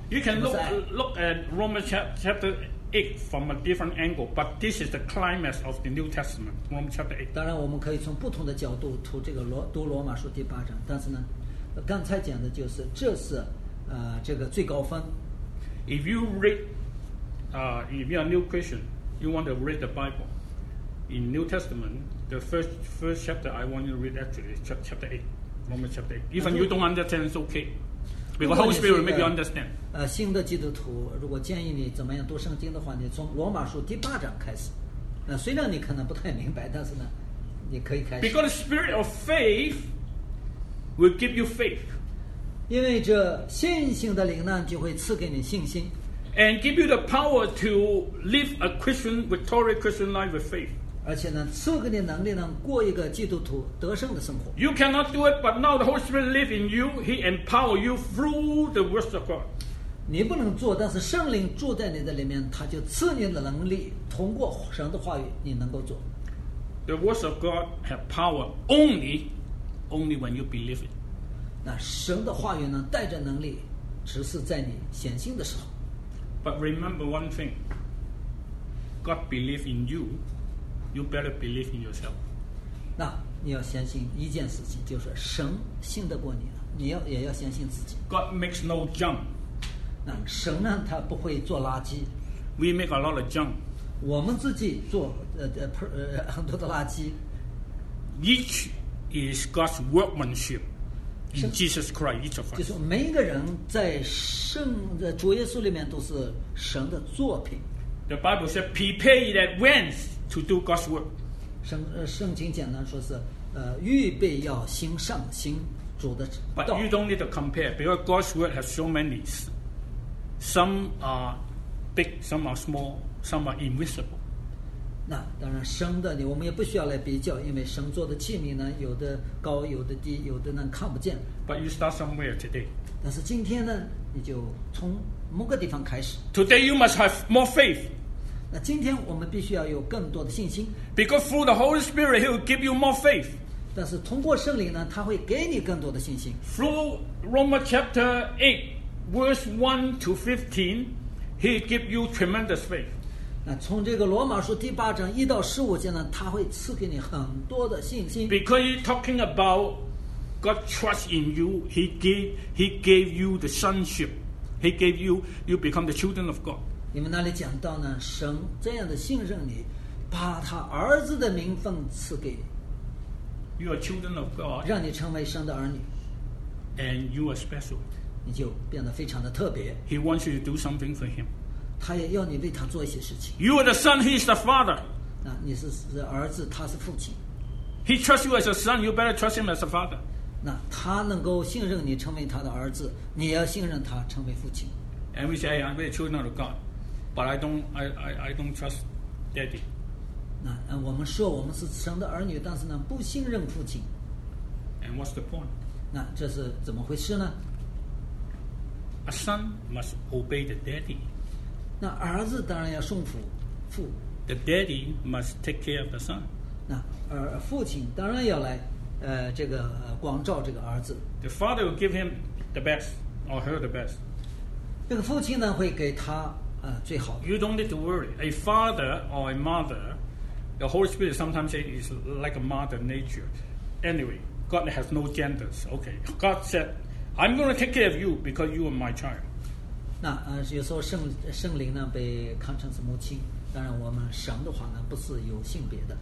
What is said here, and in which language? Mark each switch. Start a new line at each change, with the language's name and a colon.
English: You can look at Romans chapter 8. 8 from a different angle, but this is the climax of the New Testament, Romans chapter 8.
Chinese: 当然我们可以从不同的角度读这个读罗马书第八章，但是呢，刚才讲的就是这是这个最高峰。
English: If you read, if you are a new Christian, you want to read the Bible in New Testament, the first chapter I want you to read actually is chapter 8, Romans chapter 8. Even you don't understand, it's okay. Because the Holy Spirit will make you understand.
Chinese: 新的基督徒，如果建议你怎么样读圣经的话，你从罗马书第八章开始。虽然你可能不太明白，但是呢，你可以开始。
English: Because the spirit of faith will give you faith.
Chinese: 因为这信心的灵呢，就会赐给你信心。
English: And give you the power to live a Christian, victorious Christian life with faith.
Chinese: 而且呢，赐给你能力呢，过一个基督徒得胜的生活。
English: You cannot do it, but now the Holy Spirit lives in you. He empowers you through the Word of God.
Chinese: 你不能做，但是圣灵住在你的里面，他就赐你的能力，通过神的话语，你能够做。
English: The Word of God have power only when you believe it.
Chinese: 那神的话语呢，带着能力，只是在你显性的时候。
English: But remember one thing. God believes in you. You better believe in yourself.
Chinese: 那你要相信一件事情，就是神信得过你了，你要也要相信自己。
English: God makes no junk.
Chinese: 那神呢，他不会做垃圾。
English: We make a lot of junk.
Chinese: 我们自己做很多的垃圾。
English: Each is God's workmanship. In Jesus Christ, each of us.
Chinese: 就是每一个人在圣的主耶稣里面都是神的作品。
English: The Bible says, "Prepare in advance to do God's work."
Chinese: 圣经简单说是，预备要行善，行主的道。
English: But you don't need to compare, because God's work has so many. Some are big, some are small, some are invisible.
Chinese: 那当然，神的我们也不需要来比较，因为神做的器皿呢，有的高，有的低，有的呢看不见。
English: But you start somewhere today.
Chinese: 但是今天呢，你就从某个地方开始。
English: Today you must have more faith.
Chinese: 那今天我们必须要有更多的信心。
English: Because through the Holy Spirit, He will give you more faith.
Chinese: 但是通过圣灵呢，他会给你更多的信心。
English: Through Romans chapter 8, verse 1 to 15, He will give you tremendous faith.
Chinese: 从这个罗马书第八章一到十五节呢，他会赐给你很多的信心。
English: Because he's talking about God trust in you, he gave you the sonship, he gave you become the children of God.
Chinese: 你们那里讲到呢，神这样的信任你，把他儿子的名分赐给你。
English: You are children of God.
Chinese: 让你成为神的儿女。
English: And you are special.
Chinese: 你就变得非常的特别。
English: He wants you to do something for him.
Chinese: 他也要你为他做一些事情。
English: You are the son, he is the father.
Chinese: 那你是儿子，他是父亲。
English: He trusts you as a son, you better trust him as a father.
Chinese: 那他能够信任你成为他的儿子，你要信任他成为父亲。
English: And we say, I'm the children of God, but I don't trust daddy.
Chinese: 那我们说我们是神的儿女，但是呢不信任父亲。
English: And what's the point?
Chinese: 那这是怎么回事呢？
English: A son must obey the daddy.
Chinese: 那儿子当然要顺服父。
English: The daddy must take care of the son.
Chinese: 那父亲当然要来，这个光照这个儿子。
English: The father will give him the best or her the best.
Chinese: 这个父亲呢会给他最好的。
English: You don't need to worry. A father or a mother, the Holy Spirit sometimes says is like a mother nature. Anyway, God has no genders. Okay, God said, "I'm going to take care of you because you are my child."
Chinese: 那有时候圣灵呢被看成是母亲，当然我们神的话呢不是有性别的。